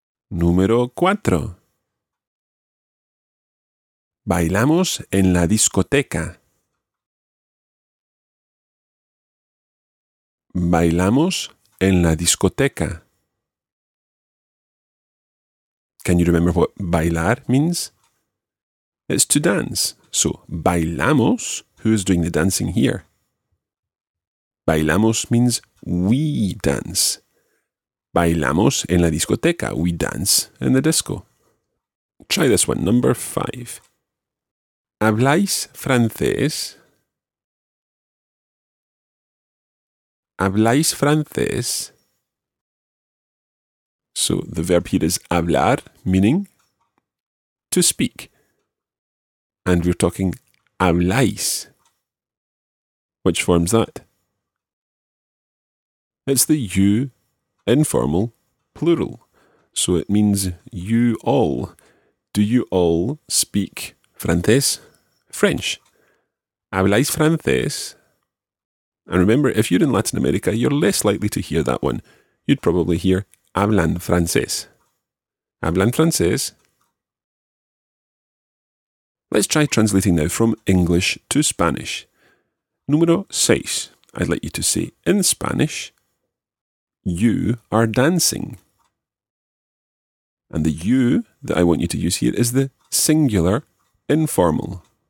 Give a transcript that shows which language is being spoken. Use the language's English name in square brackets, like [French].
[Spanish] Número cuatro. Bailamos en la discoteca. Bailamos en la discoteca. [English] Can you remember what bailar means? It's to dance. So, bailamos. Who is doing the dancing here? Bailamos means we dance. [Spanish] Bailamos en la discoteca. [English] We dance in the disco. Try this one. Number five. [Spanish] ¿Habláis francés? ¿Habláis francés? [English] So the verb here is hablar, meaning to speak. And we're talking habláis. Which forms that? It's the you informal plural. So it means you all. Do you all speak francés? French. [Spanish] ¿Habláis francés? [English] And remember, if you're in Latin America, you're less likely to hear that one. You'd probably hear [Spanish] hablan francés. ¿Hablan francés? [English] Let's try translating now from English to Spanish. [Spanish] Número seis. [English] I'd like you to say in Spanish, you are dancing. And the you that I want you to use here is the singular informal.